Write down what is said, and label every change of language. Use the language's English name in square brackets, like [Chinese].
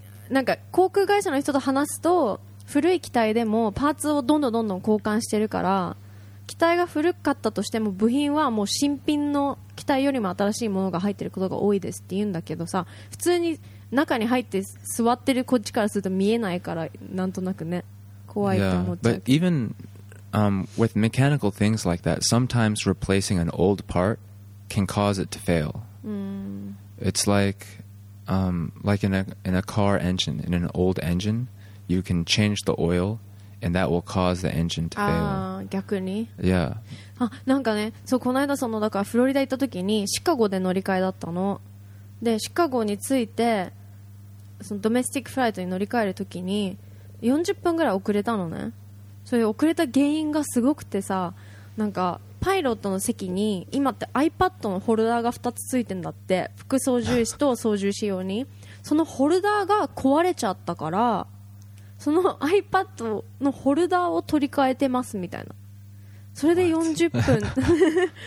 [Japanese] なんか航空会社の人と話すと古い機体でもパーツをどんどん交換してるから機体が古かったとしても部品はもう新品の機体よりも新しいものが入ってることが多いですって言うんだけどさ普通に中に入って座ってるこっちからすると見えないからなんとなくね怖いと思っちゃう [English] Yeah, but even、with mechanical things like that sometimes replacing an old part can cause it to fail、It's likelike in a car engine, in an old engine, you can change the oil, and that will cause the engine to fail. [Japanese] ああ、逆に。 [English] Yeah. [Japanese] あ、なんかね、そうこの間そのだからフロリダ行った時にシカゴで乗り換えだったの。で、シカゴに着いて、そのドメスティックフライトに乗り換える時に40分ぐらい遅れたのね。それ遅れた原因がすごくてさ、なんか。パイロットの席に今って iPad のホルダーが2つついてんだって副操縦士と操縦士用にそのホルダーが壊れちゃったからその iPad のホルダーを取り替えてますみたいなそれで40分